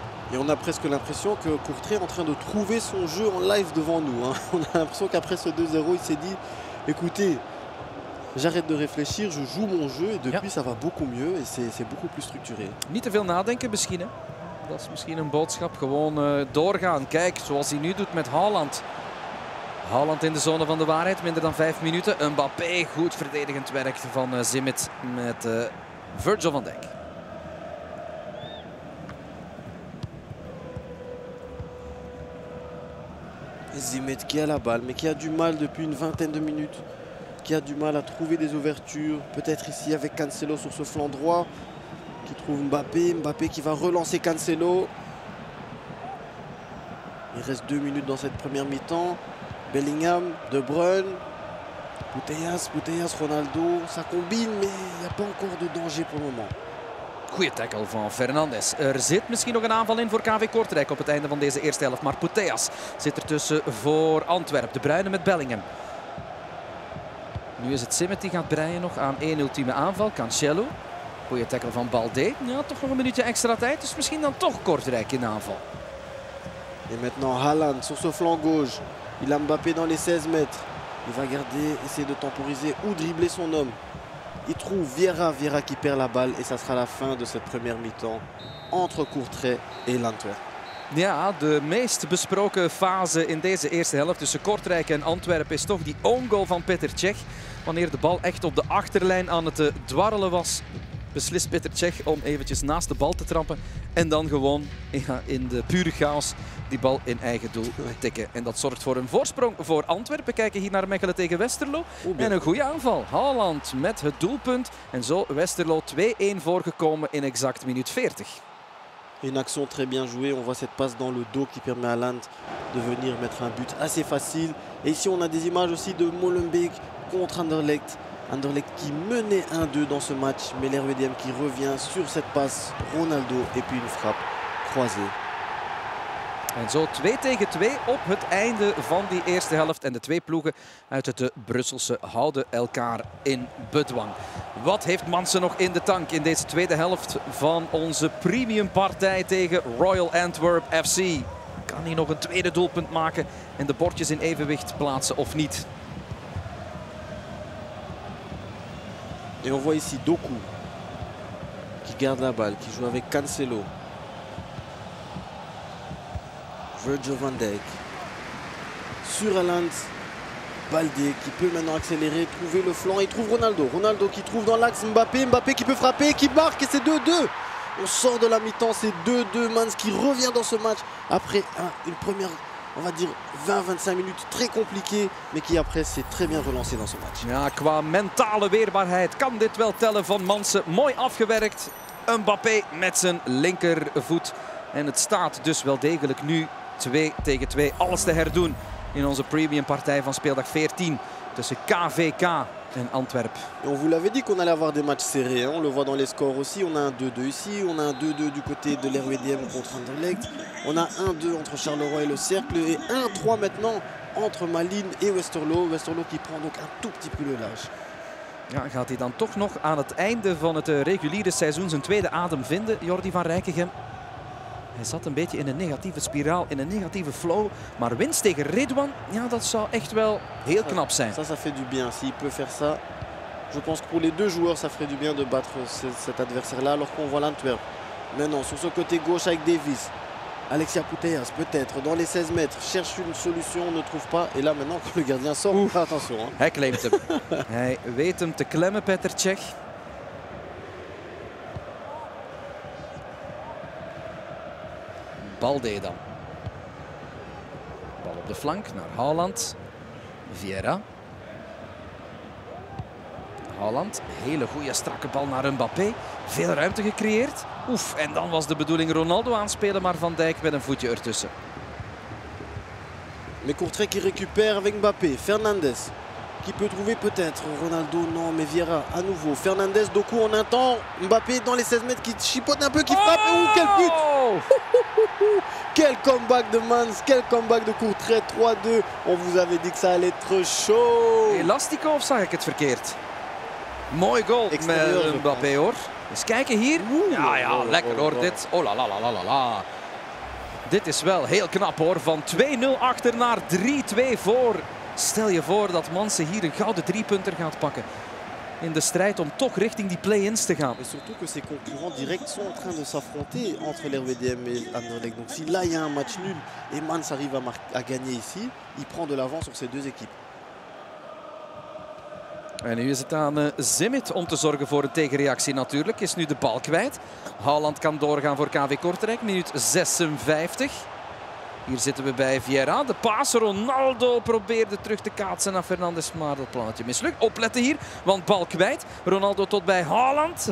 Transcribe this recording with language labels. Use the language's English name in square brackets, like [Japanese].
[French] Et on a presque l'impression que Courtrai est en train de trouver son jeu en live devant nous. Hein. On a l'impression qu'après ce 2-0, il s'est dit, écoutez, j'arrête de réfléchir, je joue mon jeu. Et depuis, ça va beaucoup mieux et c'est beaucoup plus structuré. [Dutch] Niet te veel nadenken misschien. Hè. Dat is misschien een boodschap. Gewoon doorgaan. Kijk, zoals hij nu doet met Haaland. Haaland in de zone van de waarheid. Minder dan 5 minuten. Mbappé, goed verdedigend werk van Zimmet met Virgil van Dijk. [French] Zimmet qui a la balle, mais qui a du mal depuis une vingtaine de minutes, qui a du mal à trouver des ouvertures, peut-être ici avec Cancelo sur ce flanc droit, qui trouve Mbappé, Mbappé qui va relancer Cancelo. Il reste 2 minutes dans cette première mi-temps. Bellingham, De Bruyne, Puteas, Ronaldo, ça combine, mais il n'y a pas encore de danger pour le moment. [Dutch] Goeie tackle van Fernandes. Er zit misschien nog een aanval in voor KV Kortrijk op het einde van deze eerste helft. Maar Puteas zit ertussen voor Antwerp. De Bruyne met Bellingham. Nu is het Zimmet die gaat breien nog aan één ultieme aanval. Cancelo. Goeie tackle van Baldé. Ja, toch nog een minuutje extra tijd. Dus misschien dan toch Kortrijk in aanval. [French] En maintenant Haaland sur ce flanc gauche. Il a Mbappé dans les 16 mètres. Il va garder, essayer de temporiser ou dribbler son homme. Il trouve Vieira qui perd la balle et ça sera la fin de cette première mi-temps entre Courtrai et l'Antwerp. [Dutch] Ja, de meest besproken fase in deze eerste helft tussen Kortrijk en Antwerpen is toch die on-goal van Peter Cech. Wanneer de bal echt op de achterlijn aan het dwarrelen was, beslist Peter Cech om eventjes naast de bal te trampen en dan gewoon in de pure chaos die bal in eigen doel tikken. En dat zorgt voor een voorsprong voor Antwerpen. Kijken hier naar Mechelen tegen Westerlo. En een goede aanval. Haaland met het doelpunt. En zo Westerlo 2-1 voorgekomen in exact minuut 40. [French] Een action très bien jouée. On voit cette passe dans le dos qui permet à Haaland de venir mettre un but assez facile. Et ici on a des images aussi de Molenbeek contre Anderlecht. Anderlecht qui menait 1-2 dans ce match. Mais l'RWDM qui revient sur cette passe. Ronaldo et puis une frappe croisée. [Dutch] En zo 2-2 op het einde van die eerste helft. En de twee ploegen uit het Brusselse houden elkaar in bedwang. Wat heeft Mansen nog in de tank in deze tweede helft van onze premiumpartij tegen Royal Antwerp FC? Kan hij nog een tweede doelpunt maken en de bordjes in evenwicht plaatsen of niet? [French] En on voit ici Doku, qui garde la balle, qui joue avec Cancelo. Virgil van Dijk sur Haaland, Baldé qui peut maintenant accélérer, trouver le flanc, il trouve Ronaldo. Ronaldo qui trouve dans l'axe Mbappé, Mbappé qui peut frapper, qui marque et c'est 2-2. On sort de la mi-temps, c'est 2-2, Mans qui revient dans ce match après une première, on va dire 20-25 minutes très compliquée, mais qui après s'est très bien relancé dans ce match. [Dutch] Ja, qua mentale weerbaarheid kan dit wel tellen van Mansen. Mooi afgewerkt, Mbappé met zijn linkervoet. En het staat dus wel degelijk nu 2-2. Alles te herdoen in onze premium partij van speeldag 14 tussen KVK en Antwerp. [French] On vous l'avait dit qu'on allait avoir des matchs serrés. On le voit dans les scores aussi. On a un 2-2 ici. On a un 2-2 du côté de l'RWDM contre Anderlecht. On a 1-2 entre Charleroi et le Cercle. Et 1-3 maintenant entre Malines et Westerlo. Westerlo qui prend donc un tout petit peu le large. [Dutch] Ja, gaat hij dan toch nog aan het einde van het reguliere seizoen zijn tweede adem vinden, Jordi van Rijkegem? Hij zat een beetje in een negatieve spiraal, in een negatieve flow. Maar winst tegen Redouane, ja, dat zou echt wel heel knap zijn. [French] Ça fait du bien. S'il peut faire ça, je pense que pour les deux joueurs, ça ferait du bien de battre cet adversaire-là. Alors qu'on voit l'Antwerp Maintenant, sur ce côté gauche avec Davis. Alexia Putellas, peut-être, dans les 16 mètres, cherche une solution, ne trouve pas. Et là, maintenant, quand le gardien sort, ouh, attention. Hein. [Dutch] Hij claimt hem. Hij weet hem te klemmen, Petr Cech. Balde dan. Bal op de flank naar Haaland. Vieira. Haaland, hele goede strakke bal naar Mbappé. Veel ruimte gecreëerd. Oef, en dan was de bedoeling Ronaldo aanspelen, maar Van Dijk met een voetje ertussen. [French] Mais Courtrai qui récupère avec Mbappé. Fernandez qui peut trouver peut-être Ronaldo. Non, mais Vieira à nouveau. Fernandez, Doku en un temps. Mbappé dans les 16 mètres qui chipote un peu, qui frappe. Oh, quel but! Quel comeback de Mans, quel comeback de Courtrai. 3-2. On vous avait dit que ça allait être chaud. [Dutch] Elastico of zag ik het verkeerd? Mooi goal met Mbappé, hoor. Eens kijken hier. Oeh, ja, ja, lekker hoor dit. [French] Oh la la la la la la. [Dutch] Dit is wel heel knap hoor. Van 2-0 achter naar 3-2 voor. Stel je voor dat Mansen hier een gouden driepunter gaat pakken. In de strijd om toch richting die play-ins te gaan. [French] Et surtout que ses concurrents directs sont en train de s'affronter entre l'RWDM et Anderlecht. Donc si là il y a un match nul et Mans arrive à gagner ici, il prend de l'avance sur ces deux équipes. [Dutch] En nu is het aan Zimit om te zorgen voor een tegenreactie natuurlijk. Is nu de bal kwijt. Haaland kan doorgaan voor KV Kortrijk. Minuut 56. Hier zitten we bij Vieira. De paas. Ronaldo probeerde terug te kaatsen naar Fernandes. Maar dat plannetje mislukt. Opletten hier, want bal kwijt. Ronaldo tot bij Haaland.